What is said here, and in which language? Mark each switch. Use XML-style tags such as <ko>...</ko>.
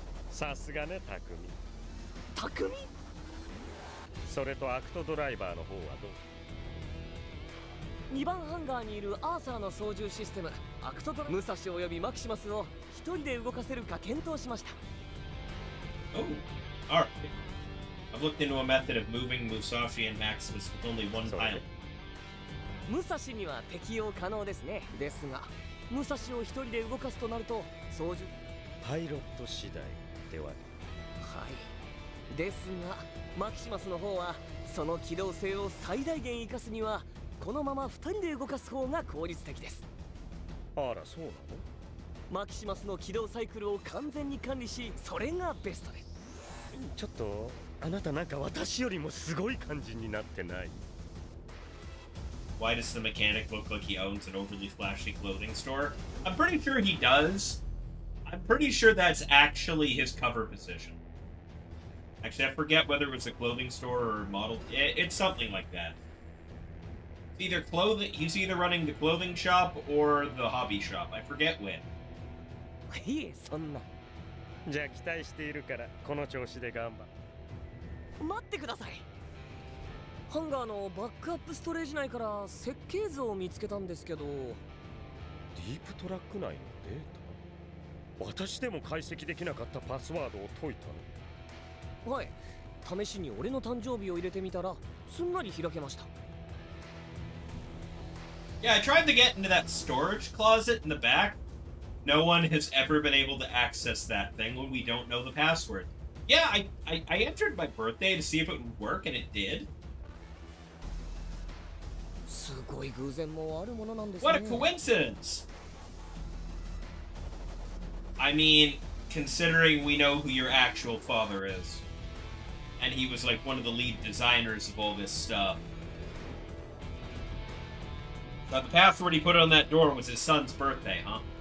<ja>さすがね、タクミ。タクミ？それとアクトドライバーの方はどう？ 2番ハンガーにいるアーサーの操縦システム、アクトドラ武蔵およびマキシマスを一人で動かせるか検討しました。</ja> <en>Oh, alright. I've looked into a method of moving Musashi and Maximus with only one pilot.</en> <ja>武蔵には適用可能ですね。ですが武蔵を一人で動かすとなると操縦パイロット次第ではね。はい。ですがマキシマスの方はその機動性を最大限生かすにはこのまま二人で動かす方が効率的です。あら、そうなの？マキシマスの機動サイクルを完全に管理し、それがベストです。ちょっと、あなたなんか私よりもすごい感じになってない？</ja> <en>Why does the mechanic look like he owns an overly flashy clothing store? I'm pretty sure he does. I'm pretty sure that's actually his cover position. Actually, I forget whether it was a clothing store or a model. It's something like that. Either clothing, he's either running the clothing shop or the hobby shop. I forget when.</en> <ja>いいえ、そんな。じゃあ期待しているから、この調子で頑張る。待ってください。ハンガーのバックアップストレージ内から設計図を見つけたんですけど。ディープトラック内のデータ？私でも解析できなかったパスワードを解いたの。はい。試しに俺の誕生日を入れてみたら、すんなり開けました。</ja> <en>Yeah, I tried to get into that storage closet in the back. No one has ever been able to access that thing when we don't know the password. Yeah, I entered my birthday to see if it would work, and it did.</en> <ja>すごい偶然もあるものなんですね。</ja> <en>What a coincidence! I mean, considering we know who your actual father is, and he was like one of the lead designers of all this stuff. So the password he put on that door was his son's birthday, huh?</en>